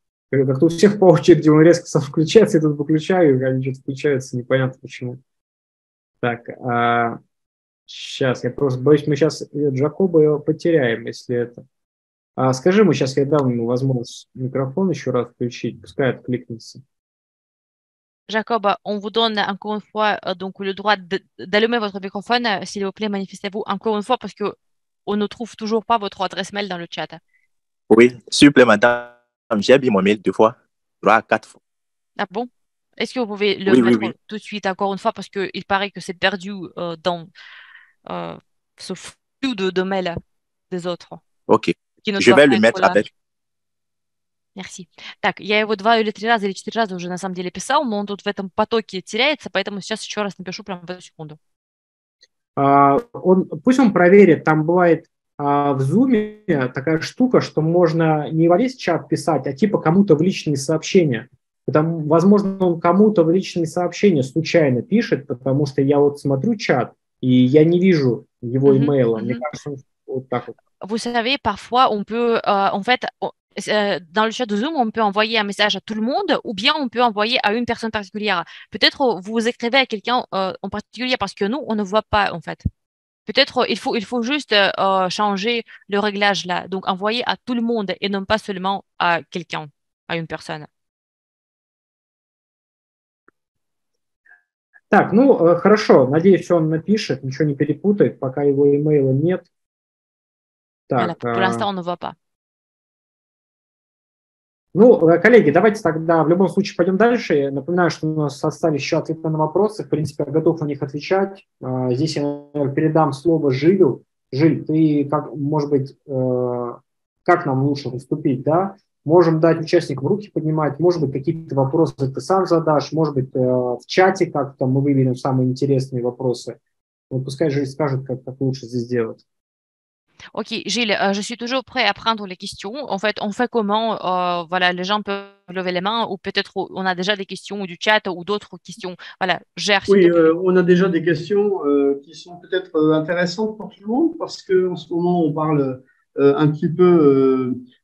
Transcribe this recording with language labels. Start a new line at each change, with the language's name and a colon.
Russian: Как-то у всех по очереди он резко сам включается, я тут выключаю, они что-то включаются, непонятно почему. Так, сейчас, я просто боюсь, мы сейчас Джакоба его потеряем, если это... Скажи ему, сейчас я дам ему возможность микрофон еще раз включить, пускай откликнется.
French: Jacob, on vous donne encore une fois donc le droit d'allumer votre microphone, s'il vous plaît, manifestez-vous encore une fois, parce que on ne trouve toujours pas votre adresse mail dans le chat. Oui, s'il vous plaît, madame, j'ai mis mon mail deux fois, trois, quatre fois. Ah bon? Est-ce que vous pouvez le mettre tout de suite encore une fois, parce qu'il paraît que c'est perdu dans ce flux de mails des autres. Ok. Je vais le mettre avec. Merci.
Russian: Так, я его два или три раза, или четыре раза уже на самом деле писал, но он тут в этом потоке теряется, поэтому сейчас еще раз напишу прямо в эту секунду. Пусть он проверит, там бывает в Zoom такая штука, что можно не во весь чат писать, а типа кому-то в личные сообщения. Потому, возможно, он кому-то в личные сообщения случайно пишет, потому что я вот смотрю чат, и я не вижу его имейла. Мне кажется, он вот так вот.
French: Vous savez, parfois, on peut, en fait, dans le chat de Zoom, on peut envoyer un message à tout le monde ou bien on peut envoyer à une personne particulière. Peut-être vous écrivez à quelqu'un en particulier parce que nous, on ne voit pas, en fait. Peut-être il faut juste changer le réglage là. Donc, envoyer à tout le monde et non pas seulement à quelqu'un, à une personne.
Russian: Так, ну, хорошо. Надеюсь, что он напишет, ничего не перепутает, пока его имейла нет. Так, пока он не в опа. Ну, коллеги, давайте тогда в любом случае пойдем дальше. Я напоминаю, что у нас остались еще ответы на вопросы. В принципе, я готов на них отвечать. Здесь я, наверное, передам слово Жилю. Жиль, ты, как, может быть, как нам лучше выступить, да? Можем дать участникам руки поднимать, может быть, какие-то вопросы ты сам задашь, может быть, в чате как-то мы выберем самые интересные вопросы. Вот пускай Жиль скажет, как лучше здесь сделать.
French: Ok, Gilles, je suis toujours prêt à prendre les questions. En fait, on fait comment voilà, les gens peuvent lever les mains ou peut-être on a déjà des questions du chat ou d'autres questions. Voilà, gère. Oui, on a déjà des questions qui sont peut-être intéressantes pour tout le monde parce qu'en ce moment, on parle un petit peu